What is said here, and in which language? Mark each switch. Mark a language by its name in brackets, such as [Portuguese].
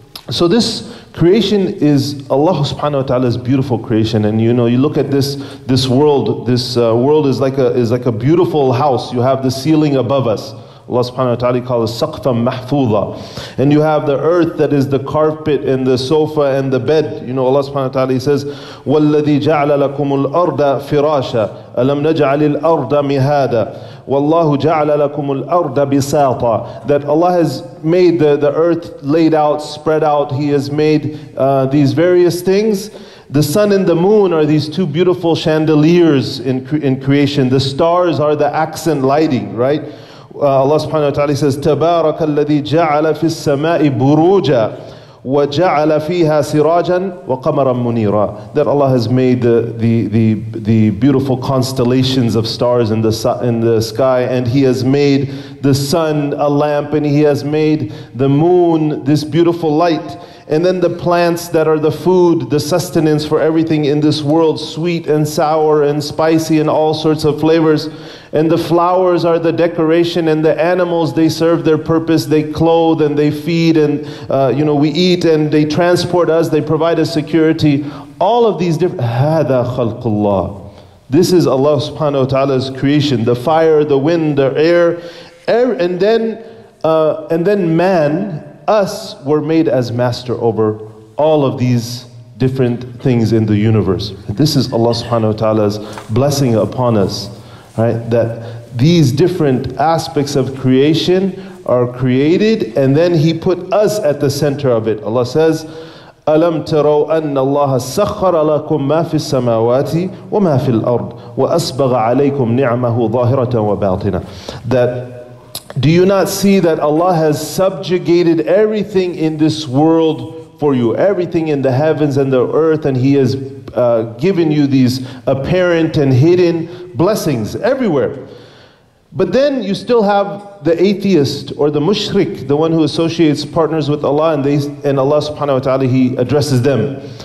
[English] So this creation is Allah subhanahu wa ta'ala's beautiful creation. And you know, you look at this world, this world is like a beautiful house. You have the ceiling above us. Allah subhanahu wa ta'ala calls it saqfan mahfuza. And you have the earth that is the carpet and the sofa and the bed. You know, Allah subhanahu wa ta'ala says, [Arabic] وَالَّذِي جَعْلَ لَكُمُ الْأَرْضَ فِرَاشًا أَلَمْ نَجْعَلِ الْأَرْضَ مِهَادًا وَاللَّهُ جَعْلَ لَكُمُ الْأَرْضَ بِسَاطًا. [English] That Allah has made the earth laid out, spread out. He has made these various things. The sun and the moon are these two beautiful chandeliers in creation. The stars are the accent lighting, right? Allah subhanahu wa ta'ala says, [Arabic] تَبَارَكَ الَّذِي جَعَلَ فِي السَّمَاءِ بُرُوجًا وَجَعَلَ فِيهَا سِرَاجًا وَقَمَرًا مُنِيرًا. [English] That Allah has made the beautiful constellations of stars in the sky, and He has made the sun a lamp, and He has made the moon this beautiful light. And then the plants that are the food, the sustenance for everything in this world, sweet and sour and spicy and all sorts of flavors. And the flowers are the decoration, and the animals, they serve their purpose. They clothe and they feed, and you know, we eat, and they transport us, they provide us security. All of these different... [Arabic] هَذَا خَلْقُ اللَّهِ. [English] This is Allah subhanahu wa ta'ala's creation. The fire, the wind, the air. And then man... Us were made as master over all of these different things in the universe. This is Allah subhanahu wa ta'ala's blessing upon us, right? That these different aspects of creation are created, and then He put us at the center of it. Allah says, [Arabic] أَلَمْ تَرَوْا أَنَّ اللَّهَ سَخَّرَ لَكُمْ مَا فِي السَّمَاوَاتِ وَمَا فِي الْأَرْضِ وَأَسْبَغَ عَلَيْكُمْ نِعْمَهُ ظَاهِرَةً وَبَاطِنًا. [English] That do you not see that Allah has subjugated everything in this world for you? Everything in the heavens and the earth, and He has given you these apparent and hidden blessings everywhere. But then you still have the atheist or the mushrik, the one who associates partners with Allah, and Allah subhanahu wa ta'ala, He addresses them.